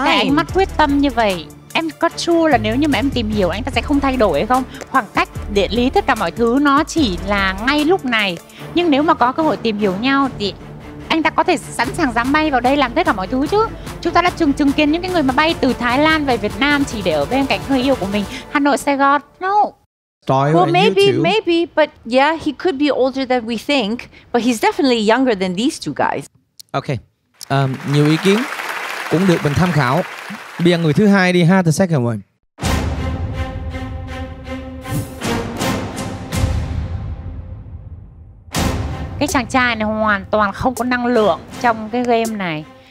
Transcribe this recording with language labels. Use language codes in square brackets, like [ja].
[vi] Cái ánh mắt quyết tâm như vậy. Em có sure là nếu như mà em tìm hiểu anh ta sẽ không thay đổi hay không? Khoảng cách, địa lý, tất cả mọi thứ nó chỉ là ngay lúc này. Nhưng nếu mà có cơ hội tìm hiểu nhau thì anh ta có thể sẵn sàng dám bay vào đây làm tất cả mọi thứ chứ. Chúng ta đã chứng kiến những cái người mà bay từ Thái Lan về Việt Nam chỉ để ở bên cạnh người yêu của mình. Hà Nội, Sài Gòn. No. [en] Well, maybe, but yeah, he could be older than we think, but he's definitely younger than these two guys. [vi] Okay, nhiều ý kiến cũng được mình tham khảo. Bây giờ người thứ hai đi ha, [en] the second one. [vi] Cái chàng trai này hoàn toàn không có năng lượng trong cái game này.